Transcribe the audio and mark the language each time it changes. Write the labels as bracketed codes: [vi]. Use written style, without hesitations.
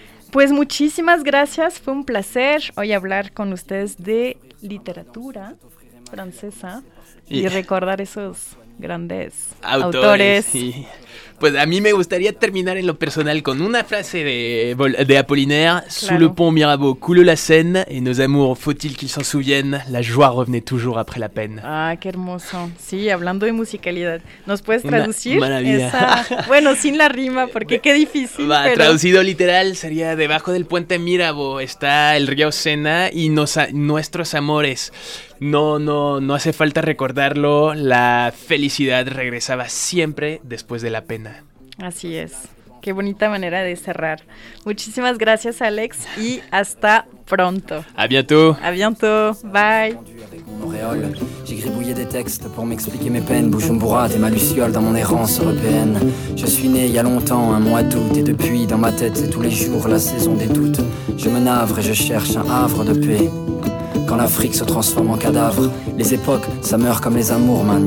[es] Pues muchísimas gracias, fue un placer hoy hablar con ustedes de literatura francesa y recordar esos grandes autores. Sí. Pues a mí me gustaría terminar en lo personal con una frase de Apollinaire. Claro. [fr] Sous le pont Mirabeau coule la Seine et nos amours, faut-il qu'ils s'en souviennent, la joie revenait toujours après la peine. [es] Ah, qué hermoso. Sí, hablando de musicalidad. ¿Nos puedes traducir esa? Bueno, sin la rima, porque qué difícil. Va, pero... traducido literal sería: debajo del puente Mirabeau está el río Sena y nuestros amores. No hace falta recordarlo, la felicidad regresaba siempre después de la pena. Así es, qué bonita manera de cerrar. Muchísimas gracias, Alex, y hasta pronto. [fr] A bientôt. A bientôt, bye. J'ai gribouillé des textes pour m'expliquer mes peines, bouche me bourrate et ma luciole dans mon errance européenne. Je suis né il y a longtemps, un mois d'août, et depuis dans ma tête tous les jours la saison des doutes. Je me navre et je cherche un havre de paix. Quand l'Afrique se transforme en cadavre, les époques, ça meurt comme les amours, man.